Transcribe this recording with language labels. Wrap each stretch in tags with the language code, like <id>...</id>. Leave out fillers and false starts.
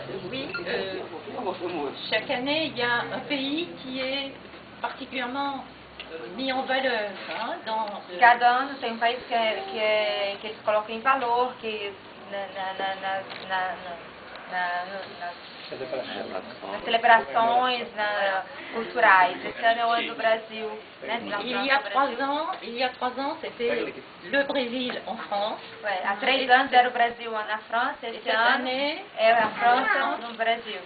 <fr>Oui, chaque année, il y a un pays qui est particulièrement mis en valeur.</fr> <pt>Cada ano, tem um país que se coloca em valor, que nas celebrações culturais. Esse ano é o ano do Brasil.</pt> <fr>Il y a trois ans, c'était le Brésil en France.</fr> <pt>Há três anos era o Brasil na França. Esse ano é a França no Brasil.</pt>